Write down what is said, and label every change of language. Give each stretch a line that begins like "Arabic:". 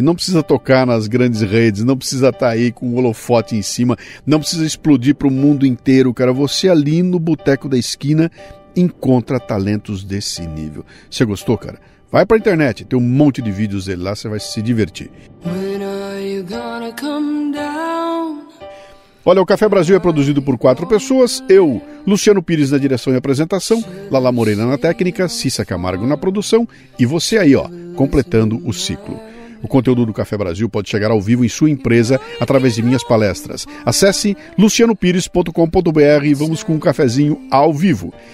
Portuguese: Não precisa tocar nas grandes redes, não precisa estar aí com o holofote em cima, não precisa explodir para o mundo inteiro, cara. Você ali no boteco da esquina encontra talentos desse nível. Você gostou, cara? Vai pra internet, tem um monte de vídeos dele lá, você vai se divertir.
English: When are you gonna come down?
Portuguese: Olha, o Café Brasil é produzido por 4 pessoas: eu, Luciano Pires na direção e apresentação, Lala Morena na técnica, Cissa Camargo na produção e você aí, ó, completando o ciclo. O conteúdo do Café Brasil pode chegar ao vivo em sua empresa através de minhas palestras. Acesse lucianopires.com.br e vamos com um cafezinho ao vivo.